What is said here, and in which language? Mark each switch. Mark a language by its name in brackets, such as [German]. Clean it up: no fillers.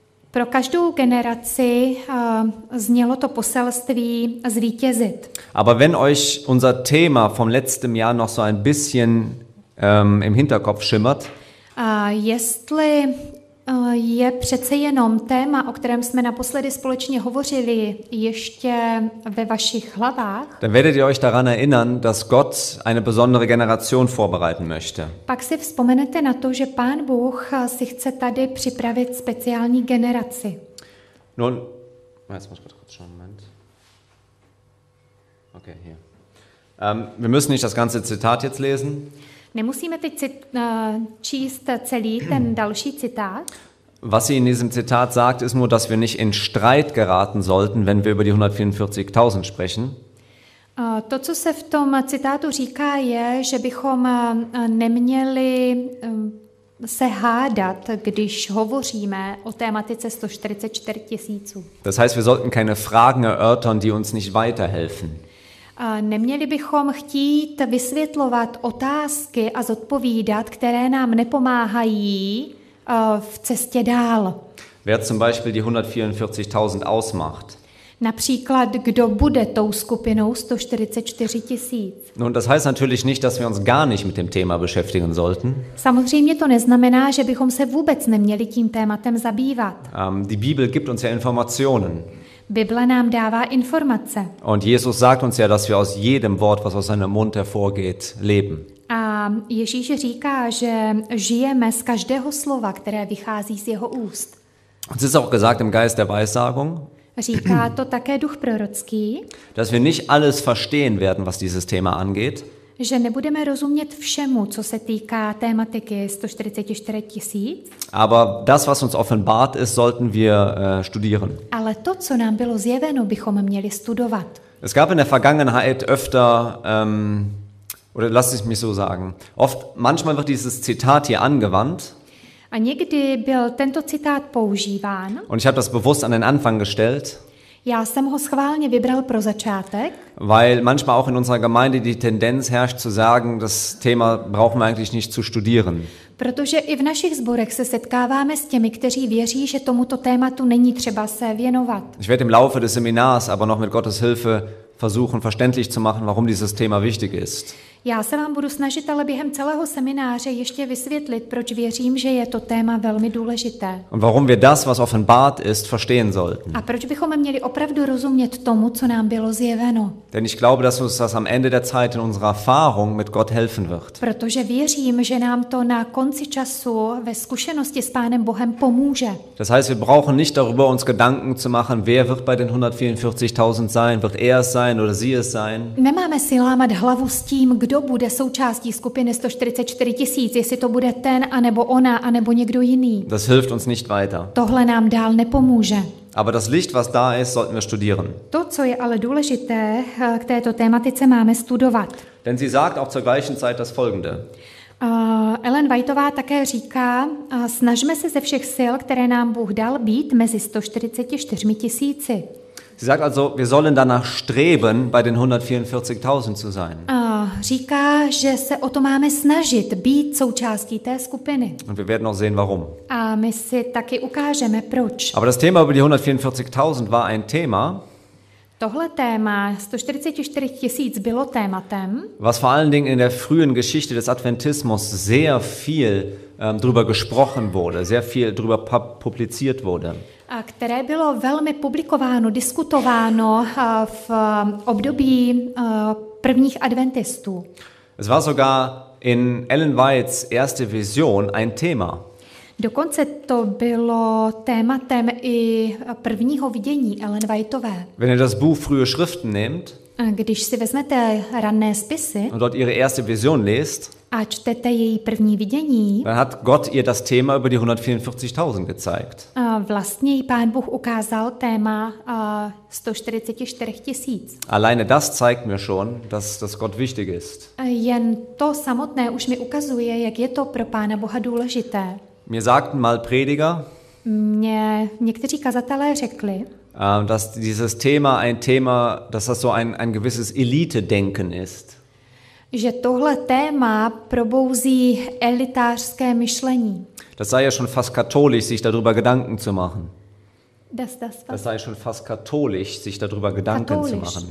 [Czech] Pro každou generaci znělo to poselství zvítězit. [German] Aber wenn euch unser Thema vom letzten Jahr noch so ein bisschen im Hinterkopf schimmert, [Czech] Jestli je přece jenom téma, o kterém jsme naposledy společně hovořili, ještě ve vašich hlavách, [German] dann werdet ihr euch daran erinnern, dass Gott eine besondere Generation vorbereiten möchte. [Czech] Pak si vzpomenete na to, že Pán Bůh si chce tady připravit speciální generaci. [German] Nun, jetzt muss ich kurz schauen, Moment. Okay, hier. Wir müssen nicht das ganze Zitat jetzt lesen. [Czech] Nemusíme teď číst celý ten další citát. [German] Was sie in diesem Zitat sagt, ist nur, dass wir nicht in Streit geraten sollten, wenn wir über die 144.000 sprechen. [Czech] To, co se v tom citátu říká, je, že bychom neměli se hádat, když hovoříme o tématice 144 tisíc. [German] Das heißt, wir sollten keine Fragen erörtern, die uns nicht weiterhelfen. [Czech] Neměli bychom chtít vysvětlovat otázky a zodpovídat, které nám nepomáhají v cestě dál. [German] Wer zum Beispiel die 144.000 ausmacht. [Czech] Například, kdo bude tou skupinou 144 tisíc. [German] Nun, das heißt natürlich nicht, dass wir uns gar nicht mit dem Thema beschäftigen sollten. [Czech] Samozřejmě to neznamená, že bychom se vůbec neměli tím tématem zabývat. [German] Die Bibel gibt uns ja Informationen. [Czech] Bible nám dává informace. [German] Und Jesus sagt uns ja, dass wir aus jedem Wort, was aus seinem Mund hervorgeht, leben. [Czech] A Ježíš říká, že žijeme z každého slova, které vychází z jeho úst. [German] Es ist auch gesagt im Geist der Weissagung. [Czech] Říká to také duch prorocký. [German] Dass wir nicht alles verstehen werden, was dieses Thema angeht. [Czech] Že nebudeme rozumět všemu, co se týká tématiky 144 tisíc. [German] Aber das, was uns offenbart ist, sollten wir studieren. [Czech] Ale to, co nám bylo zjeveno, bychom měli studovat. [German] Es gab in der Vergangenheit öfter, oder lass es mich so sagen, oft, manchmal wird dieses Zitat hier angewandt. [Czech] A někdy byl tento citát používán. [German] Und ich habe das bewusst an den Anfang gestellt. [Czech] Já jsem ho schválně vybral pro začátek. [German] Weil manchmal auch in unserer Gemeinde die Tendenz herrscht zu sagen, das Thema brauchen wir eigentlich nicht zu studieren. [Czech] Protože i v našich sborech se setkáváme s těmi, kteří věří, že tomuto tématu není třeba se věnovat. [German] Ich werde im Laufe des Seminars aber noch mit Gottes Hilfe versuchen verständlich zu machen, warum dieses Thema wichtig ist. [Czech] Já se vám budu snažit ale během celého semináře ještě vysvětlit, proč věřím, že je to téma velmi důležité. [German] Und warum wir das, was offenbart ist, verstehen sollten. [Czech] A proč bychom měli opravdu rozumět tomu, co nám bylo zjeveno? [German] Denn ich glaube, dass uns das am Ende der Zeit in unserer Erfahrung mit Gott helfen wird. [Czech] Protože věřím, že nám to na konci času ve zkušenosti s Pánem Bohem pomůže. [German] Das heißt, wir brauchen nicht darüber uns Gedanken zu machen, wer wird bei den 144.000 sein, wird er es sein oder sie es sein. [Czech] Nemáme si lámat hlavu s tím, kdo bude součástí skupiny 144 tisíc, jestli to bude ten, anebo ona, anebo někdo jiný. [German] Das hilft uns nicht weiter. [Czech] Tohle nám dál nepomůže. [German] Aber das Licht, was da ist, sollten wir studieren. [Czech] To, co je ale důležité, k této tématice máme studovat. [German] Denn sie sagt auch zur gleichen Zeit das Folgende. [Czech] Ellen Whiteová také říká, snažme se ze všech sil, které nám Bůh dal, být mezi 144 tisíci. [German] Sie sagt also, wir sollen danach streben, bei den 144.000 zu sein. [Czech] Říká, že se o to máme snažit, být součástí té skupiny. [German] Und wir werden auch sehen, warum. [Czech] A my si taky ukážeme, proč. [German] Aber das Thema über die 144.000 war ein Thema, [Czech] tohle téma 144 tisíc bylo tématem, [German] was vor allen Dingen in der frühen Geschichte des Adventismus sehr viel drüber gesprochen wurde, sehr viel drüber publiziert wurde. [Czech] A které bylo velmi publikováno, diskutováno v období prvních adventistů. [German] Es war sogar in Ellen White's erste Vision ein Thema. [Czech] Dokonce to bylo tématem i prvního vidění Ellen Whiteové. [German] Wenn ihr das Buch Frühe Schriften nehmt, [Czech] když si vezmete ranné spisy [German] und dort ihre erste Vision lest, [Czech] a čtete její první vidění, [German] dann hat Gott ihr das Thema über die 144.000 gezeigt. [Czech] Vlastně jí Pán Bůh ukázal téma 144 tisíc. [German] Alleine das zeigt mir schon, dass das Gott wichtig ist. [Czech] Jen to samotné už mi ukazuje, jak je to pro Pána Boha důležité. [German] Mir sagten mal Prediger, [Czech] mě někteří kazatelé řekli, [German] dass dieses Thema ein Thema, dass das so ein gewisses Elite-Denken ist. [Czech] Že tohle téma probouzí elitářské myšlení. [German] Das sei ja schon fast katholisch, sich darüber Gedanken zu machen. Das sei schon fast katholisch, sich darüber Gedanken katholisch zu machen.